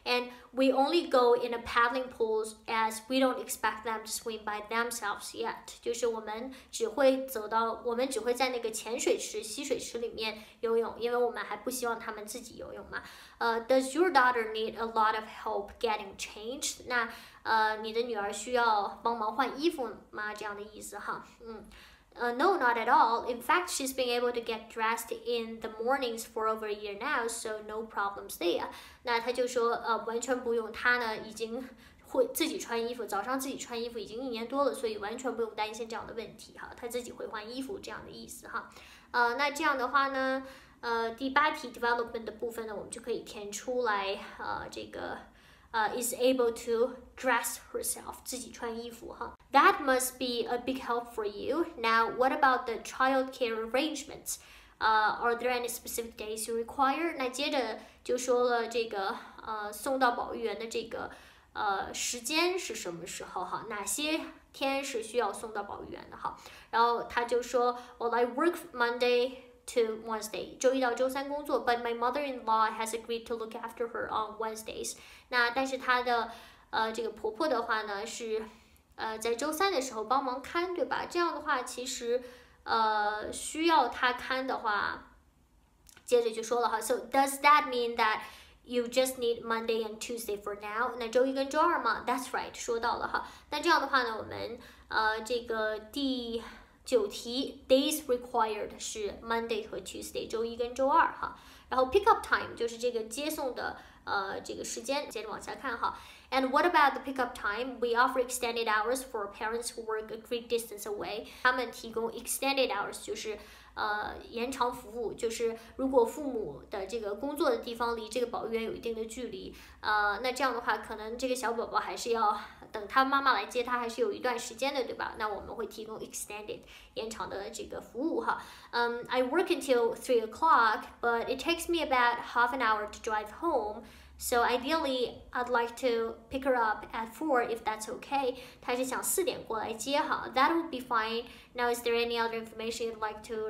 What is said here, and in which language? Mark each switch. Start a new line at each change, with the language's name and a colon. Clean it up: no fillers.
English: And we only go in a paddling pools as we don't expect them to swim by themselves yet.
Chinese: 就是我们只会走到我们只会在那个浅水池溪水池里面游泳，因为我们还不希望他们自己游泳嘛。
English: Does your daughter need a lot of help getting changed?
Chinese: 那你的女儿需要帮忙换衣服吗？这样的意思哈。
English: No, not at all. In fact, she's been able to get dressed in the mornings for over a year now, so no problems there.
Chinese: 那她就说完全不用，她呢已经会自己穿衣服，早上自己穿衣服已经一年多了，所以完全不用担心这样的问题哈。她自己会换衣服这样的意思哈。那这样的话呢？第八题 development 的部分呢，我们就可以填出来。
English: 这个is able to dress herself，
Chinese: 自己穿衣服哈。
English: That must be a big help for you. Now, what about the childcare arrangements? Are there any specific days you require?
Chinese: 那接着就说了这个送到保育员的这个时间是什么时候哈？哪些天是需要送到保育员的哈？
English: 然后他就说 ，Well, I work Monday。To Wednesday，
Chinese: 周一到周三工作
English: ，but my mother-in-law has agreed to look after her on Wednesdays。
Chinese: 那但是她的这个婆婆的话呢是在周三的时候帮忙看，对吧？这样的话其实需要她看的话，接着就说了哈。
English: So does that mean that you just need Monday and Tuesday for now？
Chinese: 那周一跟周二嘛 ，
English: That's right，
Chinese: 说到了哈。那这样的话呢，我们这个第九题 days required 是 Monday 和 Tuesday， 周一跟周二哈。然后 pick up time 就是这个接送的这个时间，接着往下看哈。
English: And what about the pick up time? We offer extended hours for parents who work a great distance away.
Chinese: 他们提供 extended hours 就是延长服务，就是如果父母的这个工作的地方离这个保育员有一定的距离，那这样的话可能这个小宝宝还是要等他妈妈来接他，还是有一段时间的，对吧？那我们会提供 extended 延长的这个服务哈。
English: I work until 3 o'clock, but it takes me about half an hour to drive home. So ideally, I'd like to pick her up at 4 if that's okay.
Chinese: 他是想四点过来接哈。
English: That would be fine. Now, is there any other information you'd like to?